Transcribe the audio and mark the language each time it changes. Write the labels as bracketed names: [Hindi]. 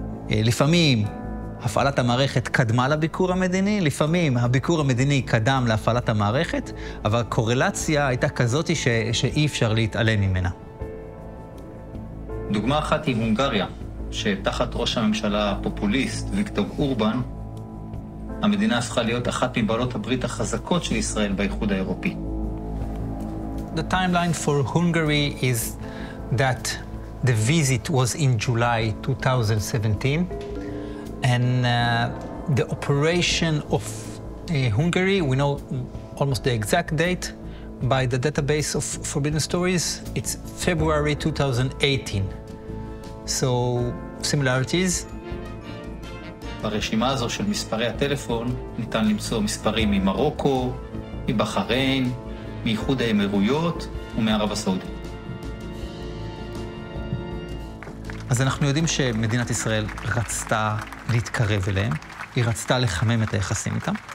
[Hebrew] לפעמים הפעלת המערכת קדמה לביקור המדיני, לפעמים הביקור המדיני קדם להפעלת המערכת, אבל קורלציה הייתה כזאת שאי אפשר להתעלם ממנה. דוגמה אחת היא הונגריה, שתחת ראש הממשלה הפופוליסט ויקטור אורבן, המדינה הפכה להיות אחת מבעלות הברית החזקות של ישראל באיחוד האירופי. [English] The timeline for Hungary is that the visit was in July 2017, and the operation of Hungary, we know almost the exact date by the database of Forbidden Stories, it's February 2018. So, similarities. [Hebrew] ברשימה הזו של מספרי הטלפון ניתן למצוא מספרים ממרוקו, מבחריין, מאיחוד האמירויות ומערב הסעודית. אז אנחנו יודעים שמדינת ישראל רצתה להתקרב אליהם, היא רצתה לחמם את היחסים איתם.